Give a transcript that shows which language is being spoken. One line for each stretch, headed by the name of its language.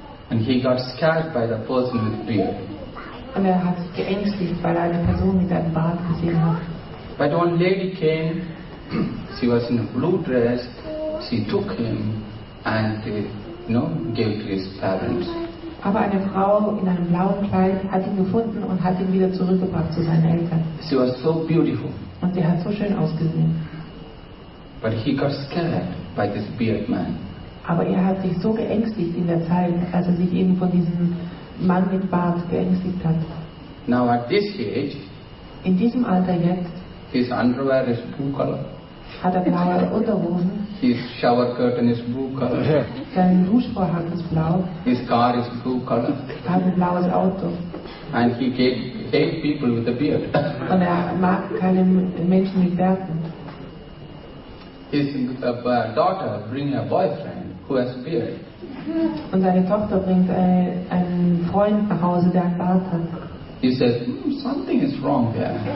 English: And he got scared by the person with beard.
German: Und hat sich geängstigt, weil eine Person mit einem Bart gesehen hat.
English: But one lady came, she was in a blue dress, she took him and gave to his parents.
German: Aber eine Frau in einem blauen Kleid hat ihn gefunden und hat ihn wieder zurückgebracht zu seinen Eltern.
English: She was so beautiful.
German: Und sie hat so schön ausgesehen.
English: But he got scared by this beard man.
German: Aber er hat sich so geängstigt in der Zeit, als er sich eben von diesem Mann mit Bart geängstigt hat.
English: Now at this age,
German: in diesem Alter jetzt,
English: his underwear is blue color.
German: Hat er blaue Unterhosen.
English: His shower curtain is blue color.
German: Sein Duschvorhang ist blau.
English: His car is blue color.
German: Er hat ein blaues Auto.
English: And he hates people with a beard.
German: Und er mag keine Menschen mit Bärten.
English: His daughter brings a boyfriend who has a beard.
German: Und seine Tochter bringt einen Freund nach Hause, der einen Bart hat.
English: He says, something is wrong there.